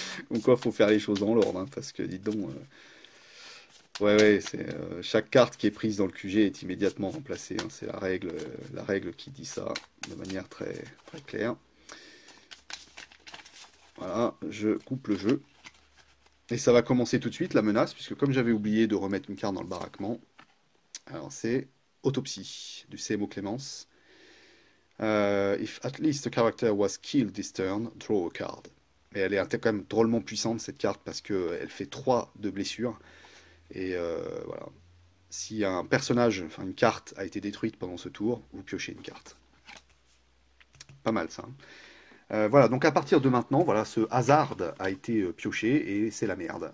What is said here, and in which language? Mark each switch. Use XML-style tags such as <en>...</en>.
<fr>Donc quoi, faut faire les choses dans l'ordre, hein, parce que dites donc, ouais, c'est chaque carte qui est prise dans le QG est immédiatement remplacée, hein, c'est la règle qui dit ça de manière très, très claire. Voilà, je coupe le jeu et ça va commencer tout de suite la menace, puisque comme j'avais oublié de remettre une carte dans le baraquement, alors c'est Autopsie du CMO Clémence.</fr> <en>If at least a character was killed this turn, draw a card.</en> <fr>Et elle est quand même drôlement puissante cette carte parce qu'elle fait 3 de blessures. Et voilà. Si un personnage, enfin une carte, a été détruite pendant ce tour, vous piochez une carte. Pas mal ça. Voilà, donc à partir de maintenant, voilà, ce hasard a été pioché et c'est la merde.</fr>